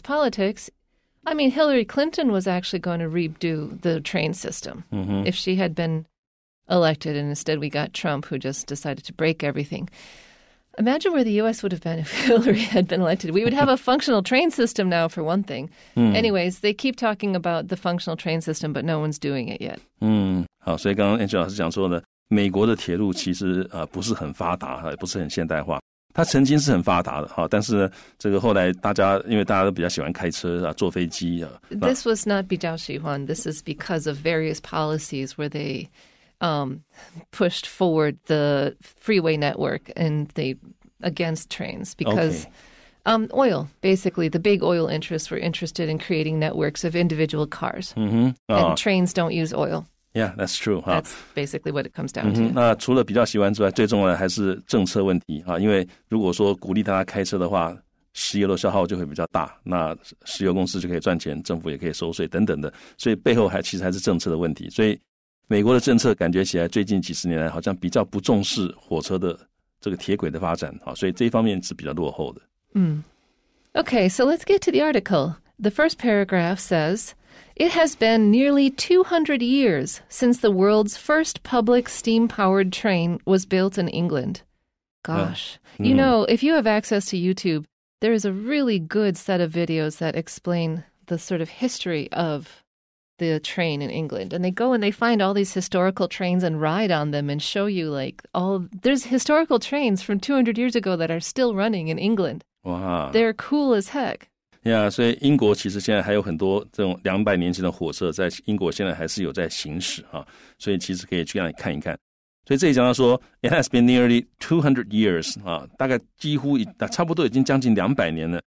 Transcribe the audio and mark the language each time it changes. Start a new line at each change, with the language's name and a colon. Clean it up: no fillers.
English: politics, I mean, Hillary Clinton was actually going to redo the train system if she had been elected, and instead we got Trump, who just decided to break everything. Imagine where the U.S. would have been if Hillary had been elected. We would have a functional train system now, for one thing. Anyways, they keep talking about the functional train system, but no one's doing it yet.
Chinese: 好，所以刚刚 Angel 老师讲说呢，美国的铁路其实不是很发达，不是很现代化。它曾经是很发达的，但是呢，这个后来大家因为大家都比较喜欢开车啊，坐飞机啊。
English: This was not
Chinese: 比较喜欢。
English: This is because of various policies where they pushed forward the freeway network and they against trains because oil, basically the big oil interests were interested in creating networks of individual cars and trains don't use oil. Yeah, that's true. That's basically what it comes down to.
Chinese: 那除了比较喜欢之外，最重要的还是政策问题啊，因为如果说鼓励大家开车的话，石油的消耗就会比较大，那石油公司就可以赚钱，政府也可以收税等等的，所以背后还其实还是政策的问题，所以美国的政策感觉起来最近几十年来好像比较不重视火车的这个铁轨的发展，所以这一方面是比较落后的。
English: Okay, so let's get to the article. The first paragraph says, It has been nearly 200 years since the world's first public steam-powered train was built in England. Gosh, you know, if you have access to YouTube, there is a really good set of videos that explain the sort of history of the train in England, and they go and they find all these historical trains and ride on them and show you like all there's historical trains from 200 years ago that are still running in England. Wow. They're cool as heck.
Chinese: Yeah, 所以英国其实现在还有很多这种200年前的火车在英国现在还是有在行驶啊，所以其实可以去那里看一看。所以这里讲到说 ，
English: It has been nearly 200 years
Chinese: 啊，大概几乎差不多已经将近200年了。